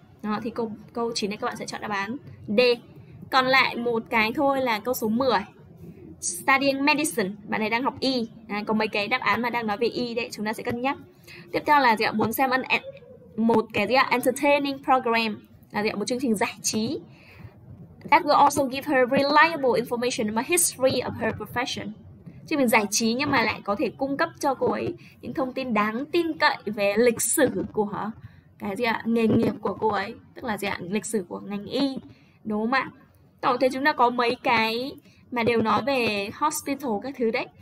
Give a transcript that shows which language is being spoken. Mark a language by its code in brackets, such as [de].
[vi] Đó, thì câu 9 này các bạn sẽ chọn đáp án D. Còn lại một cái thôi là câu số 10. Studying medicine, bạn này đang học y. À, có mấy cái đáp án mà đang nói về y đấy, chúng ta sẽ cân nhắc. Tiếp theo là gì ạ? Muốn xem một cái gì ạ? Entertaining program, là gì ạ? Một chương trình giải trí. [en] That will also give her reliable information about history of her profession. [vi] Chương trình giải trí nhưng mà lại có thể cung cấp cho cô ấy những thông tin đáng tin cậy về lịch sử của họ. Cái gì ạ? Nghề nghiệp của cô ấy, tức là gì ạ? Lịch sử của ngành y, đúng không ạ? Tổng thể chúng ta có mấy cái mà đều nói về hospital các thứ đấy.